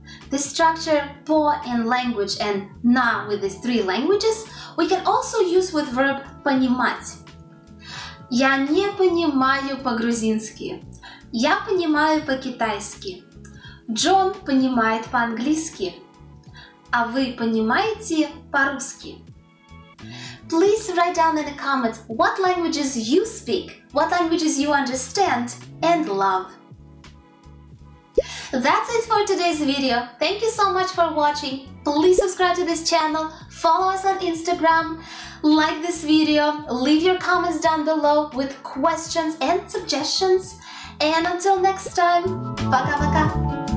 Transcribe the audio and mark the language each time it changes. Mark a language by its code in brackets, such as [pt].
[en] This structure по in language and на with these three languages we can also use with verb понимать. [ru] Я не понимаю по-грузински. Я понимаю по-китайски. Джон понимает по-английски. А вы понимаете по-русски? [en] Please write down in the comments what languages you speak, what languages you understand and love. That's it for today's video. Thank you so much for watching. Please subscribe to this channel, follow us on Instagram, like this video, leave your comments down below with questions and suggestions. And until next time, [ru] пока-пока!